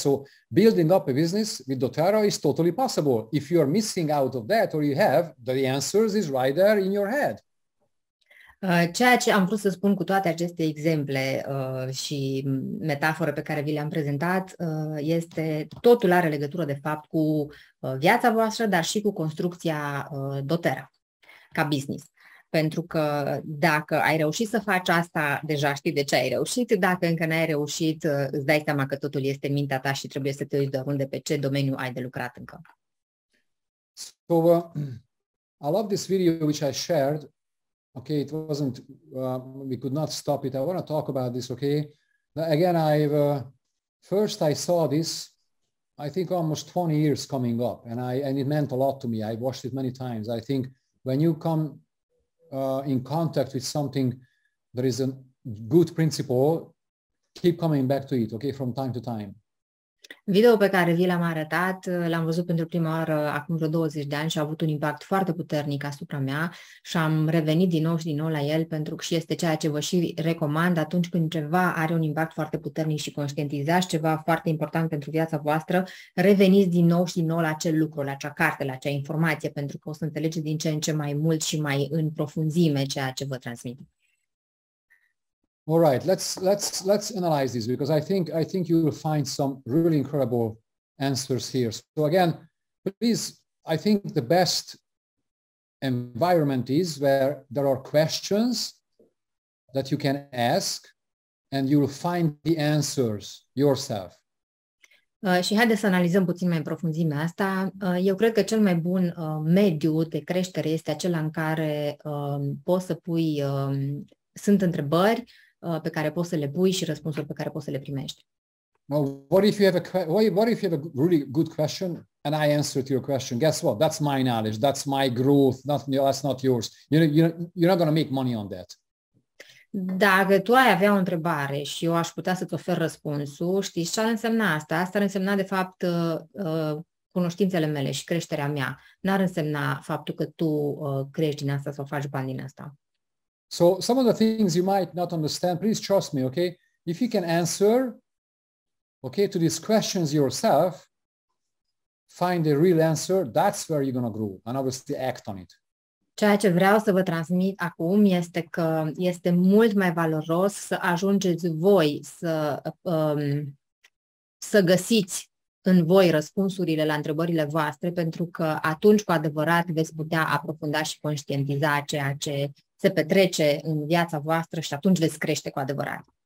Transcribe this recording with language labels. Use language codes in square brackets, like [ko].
[en] So building up a business with doTERRA is totally possible. If you are missing out of that or you have, the answers is right there in your head. [ro] Ceea ce am vrut să spun cu toate aceste exemple și metafore pe care vi le-am prezentat este totul are legătură, de fapt, cu viața voastră, dar și cu construcția doTERRA. Ca business. Pentru că dacă ai reușit să faci asta, deja știi de ce ai reușit. Dacă încă n-ai reușit, îți dai seama că totul este în mintea ta și trebuie să te uiți de unde, pe ce domeniu ai de lucrat încă. [en] So, I love this video which I shared. Okay, it wasn't, we could not stop it. I want to talk about this, okay? Again, first I saw this, I think almost 20 years coming up, and it meant a lot to me. I watched it many times. I think when you come in contact with something that is a good principle, keep coming back to it, okay, from time to time. [ro] Video pe care vi l-am arătat, l-am văzut pentru prima oară acum vreo 20 de ani și a avut un impact foarte puternic asupra mea și am revenit din nou și din nou la el pentru că și este ceea ce vă și recomand atunci când ceva are un impact foarte puternic și conștientizați ceva foarte important pentru viața voastră, reveniți din nou și din nou la acel lucru, la acea carte, la acea informație, pentru că o să înțelegeți din ce în ce mai mult și mai în profunzime ceea ce vă transmit. [en] All right, let's analyze this, because I think you will find some really incredible answers here. So again, please, I think the best environment is where there are questions that you can ask and you will find the answers yourself. [ro] Și haideți să analizăm puțin mai în profunzime asta. Eu cred că cel mai bun mediu de creștere este acela în care poți să pui, sunt întrebări pe care poți să le pui și răspunsuri pe care poți să le primești. [en] Well, what if you have a really good question and I answer to your question? Guess what? That's my knowledge, that's my growth, that's not yours. You're not going to make money on that. [ro] Dacă tu ai avea o întrebare și eu aș putea să-ți ofer răspunsul, știi ce ar însemna asta? Asta ar însemna, de fapt, cunoștințele mele și creșterea mea. N-ar însemna faptul că tu crești din asta sau faci bani din asta. [en] So, some of the things you might not understand, please trust me, okay? If you can answer, okay, to these questions yourself, find a real answer, that's where you're going to grow and obviously act on it. [ro] Ceea ce vreau să vă transmit acum este că este mult mai valoros să ajungeți voi să, să găsiți în voi răspunsurile la întrebările voastre, pentru că atunci cu adevărat veți putea aprofunda și conștientiza ceea ce se petrece în viața voastră și atunci veți crește cu adevărat.